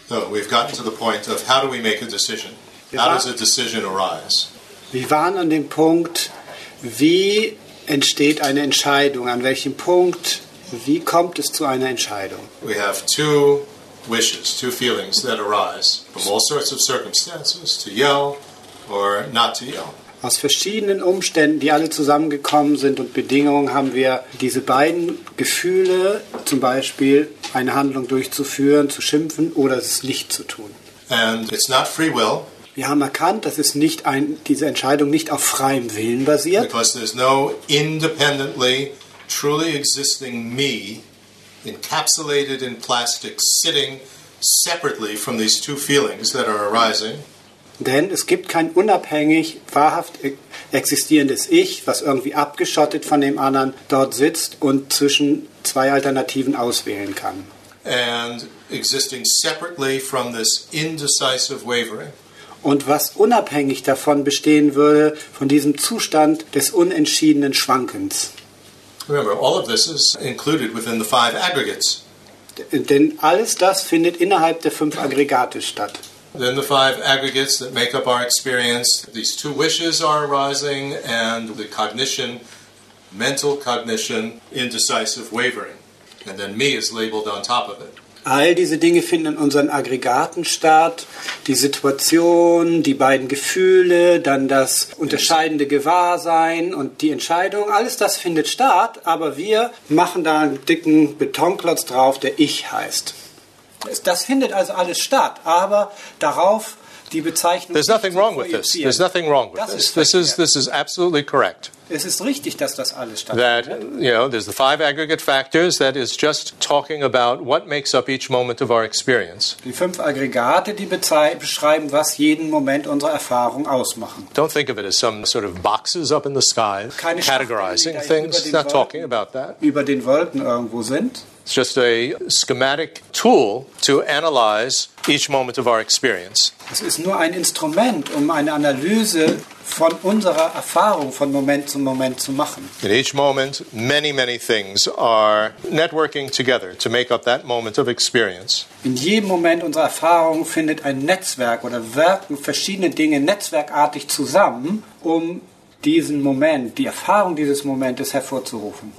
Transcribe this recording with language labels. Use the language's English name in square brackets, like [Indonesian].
[English] So we've gotten to the point of how do we make a decision? How does a decision arise? [German] Wir waren an dem Punkt, wie entsteht eine Entscheidung? An welchem Punkt, wie kommt es zu einer Entscheidung? [English] We have two wishes, two feelings that arise from all sorts of circumstances, to yell or not to yell. [German] Aus verschiedenen Umständen, die alle zusammengekommen sind und Bedingungen, haben wir diese beiden Gefühle, zum Beispiel eine Handlung durchzuführen, zu schimpfen oder es nicht zu tun. [English] And it's not free will. [German] Wir haben erkannt, dass es nicht ein, diese Entscheidung nicht auf freiem Willen basiert. [English] Because there's no independently, truly existing me, encapsulated in plastic, sitting separately from these two feelings that are arising. [German] Denn es gibt kein unabhängig, wahrhaft existierendes Ich, was irgendwie abgeschottet von dem anderen dort sitzt und zwischen zwei Alternativen auswählen kann. [English] And existing separately from this indecisive wavering. [German] Und was unabhängig davon bestehen würde, von diesem Zustand des unentschiedenen Schwankens. [English] Remember, all of this is included within the five aggregates. [German] Denn alles das findet innerhalb der fünf Aggregate statt. [English] Then the five aggregates that make up our experience, these two wishes are arising and the cognition, mental cognition, indecisive wavering. And then me is labeled on top of it. [German] All diese Dinge finden in unseren Aggregaten statt. Die Situation, die beiden Gefühle, dann das unterscheidende Gewahrsein und die Entscheidung. Alles das findet statt, aber wir machen da einen dicken Betonklotz drauf, der Ich heißt. Das findet also alles statt, aber darauf die Bezeichnung. [English] There's nothing wrong with this. There's nothing wrong with this. This is absolutely correct. [German] Es ist richtig, dass das alles stattfindet. [English] That, you know, there's the five aggregate factors that is just talking about what makes up each moment of our experience. [German] Die fünf Aggregate, die beschreiben, was jeden Moment unserer Erfahrung ausmachen. [English] Don't think of it as some sort of boxes up in the sky, [German] keine [English] categorizing things. Not [German] Wolken, [English] talking about that. [German] Über den Wolken irgendwo sind. [English] It's just a schematic tool to analyze each moment of our experience. [German] Es ist nur ein Instrument, um eine Analyse von unserer Erfahrung von Moment zu machen. [English] In each moment, many, many things are networking together to make up that moment of experience. [German] In jedem Moment unserer Erfahrung findet ein Netzwerk oder wirken verschiedene Dinge netzwerkartig zusammen, um diesen Moment, die Erfahrung dieses Momentes hervorzurufen.